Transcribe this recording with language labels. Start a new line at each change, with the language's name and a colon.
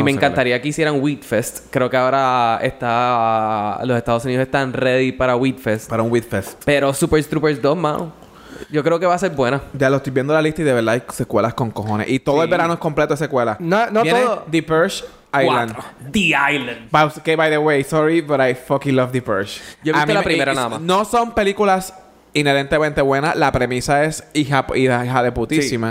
Spanish: y me encantaría que hicieran Wheat Fest. Creo que ahora está... los Estados Unidos están ready para Wheat Fest. Para un Wheat Fest. Pero Super Troopers 2, mano. Yo creo que va a ser buena. Ya lo estoy viendo la lista y de verdad hay secuelas con cojones. Y todo, sí, el verano es completo de secuelas. No viene todo.
English: The Purge Island. 4. The Island. Okay, by the way, sorry, but I fucking love The Purge.
Spanish: Yo he visto la primera nada más. No son películas inherentemente buena, la premisa es hija de putísima.